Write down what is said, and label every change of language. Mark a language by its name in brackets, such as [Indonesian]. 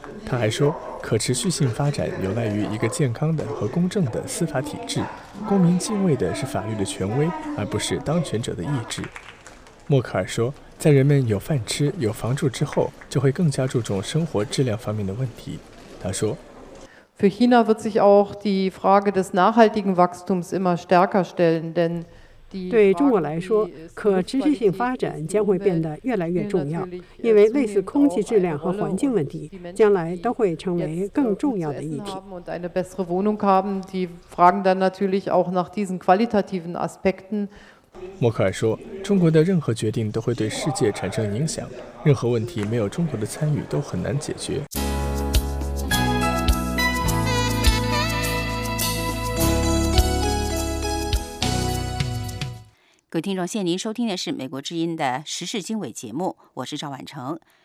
[Chinese] 他还说，可持续性发展有赖于一个健康的和公正的司法体制，公民敬畏的是法律的权威，而不是当权者的意志。默克尔说，在人们有饭吃、有房住之后，就会更加注重生活质量方面的问题。他说， [German] Für China wird sich auch die Frage des nachhaltigen Wachstums immer stärker stellen, denn [Chinese] 对中国来说，可持续性发展将会变得越来越重要，因为类似空气质量和环境问题将来都会成为更重要的议题。 [German] Eine bessere Wohnung haben, die fragen dann natürlich auch nach diesen qualitativen Aspekten。 [Chinese] 默克尔说，中国的任何决定都会对世界产生影响，任何问题没有中国的参与都很难解决。各位听众，现在您收听的是美国之音的时事经纬节目，我是赵婉成。